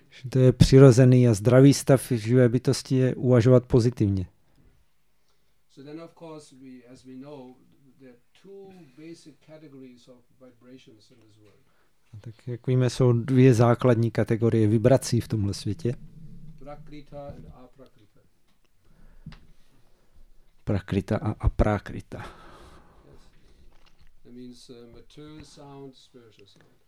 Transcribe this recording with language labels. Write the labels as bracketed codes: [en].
[cs] To je přirozený a zdravý stav živé bytosti je uvažovat pozitivně. [en] So then of course we, as we know, there are two basic categories of vibrations in this world. [cs] A tak jak víme, jsou dvě základní kategorie vibrací v tomhle světě. [en] Prakrita and aprakrita. [cs] Prakrita a aprakrita. [en] That means material sound, spiritual sound.